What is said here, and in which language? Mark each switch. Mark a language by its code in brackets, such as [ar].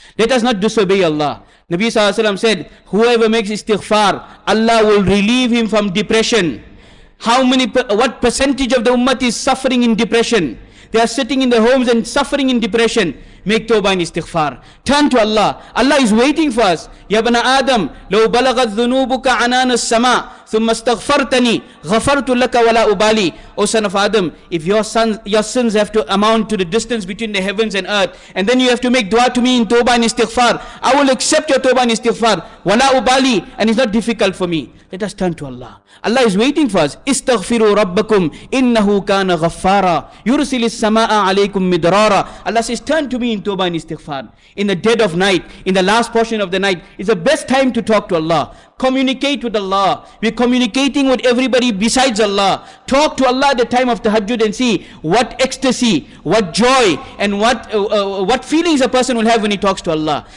[en] Let us not disobey Allah. Nabi SAW said, whoever makes istighfar, Allah will relieve him from depression. What percentage of the ummah is suffering in depression? They are sitting in their homes and suffering in depression. Make tawbah and istighfar. Turn to Allah. Allah is waiting for us. [ar] Ya bana Adam, لو بلغت ذنوبك عنان السماء ثم استغفرتني غفرت لك ولا أبالي. [en] O son of Adam, if your sins have to amount to the distance between the heavens and earth, and then you have to make dua to me in tawbah and istighfar, I will accept your tawbah and istighfar. [ar] ولا أبالي, [en] and it's not difficult for me. Let us turn to Allah. Allah is waiting for us. [ar] استغفروا ربكم إنه كان غفارا يرسل السماء عليكم مدرارا. [en] Allah says, turn to me in tawbah and istighfar. In the dead of night, in the last portion of the night, is the best time to talk to Allah. Communicate with Allah. We're communicating with everybody besides Allah. Talk to Allah at the time of tahajjud and see what ecstasy, what joy, and what feelings a person will have when he talks to Allah.